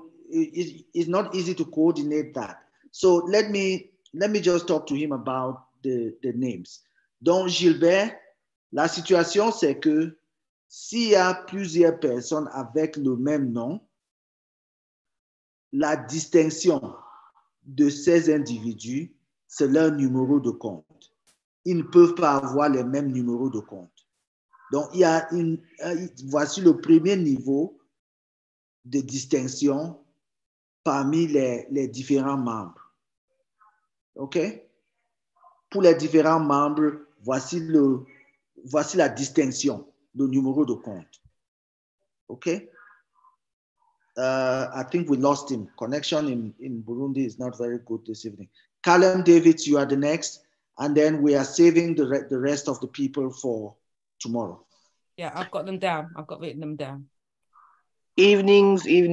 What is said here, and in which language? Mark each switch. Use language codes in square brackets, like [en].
[en] It's not easy to coordinate that. So let me just talk to him about the names. [fr] Donc Gilbert, la situation c'est que s'il y a plusieurs personnes avec le même nom, la distinction de ces individus, c'est leur numéro de compte. Ils ne peuvent pas avoir les mêmes numéros de compte. Donc il y a voici le premier niveau de distinction parmi les différents membres. OK? Pour les différents membres, voici la distinction, le numéro de compte. [en] OK? I think we lost him. Connection in Burundi is not very good this evening. Callum Davids, you are the next. And then we are saving the rest of the people for tomorrow. Yeah, I've got them down. I've got written them down. Evenings.